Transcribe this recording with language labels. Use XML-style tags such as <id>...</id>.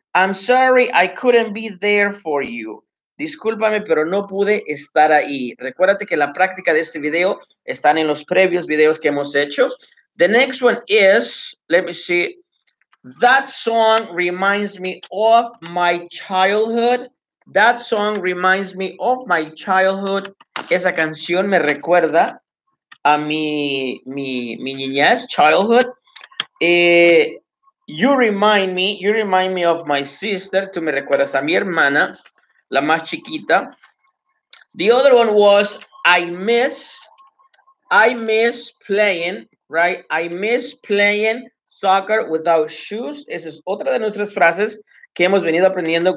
<en>I'm sorry, I couldn't be there for you.</en> <es>Discúlpame, pero no pude estar ahí. Recuérdate que la práctica de este video están en los previos videos que hemos hecho.</es> <en>The next one is, let me see, that song reminds me of my childhood. That song reminds me of my childhood.</en> <es>Esa canción me recuerda a mi niñez, childhood.</es> <en>You remind me of my sister.</en> <es>Tú me recuerdas a mi hermana, la más chiquita.</es> <en>The other one was, I miss playing, right? I miss playing soccer without shoes.</en> <es>Esa es otra de nuestras frases que hemos venido aprendiendo.</es>